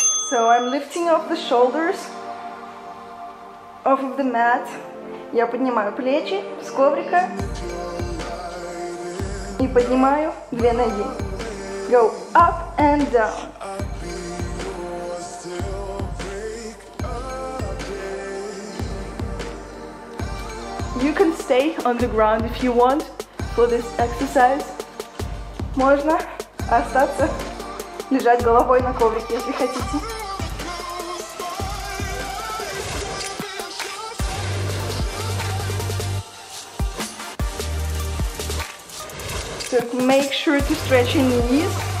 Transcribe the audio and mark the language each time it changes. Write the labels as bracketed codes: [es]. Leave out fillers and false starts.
[en] So I'm lifting off the shoulders, off of the mat. [ru] Я поднимаю плечи с коврика и поднимаю две ноги. [en] Go up and down. You can stay on the ground if you want for this exercise. [ru] Можно остаться лежать головой на коврике, если хотите. [en] So make sure to stretch your knees.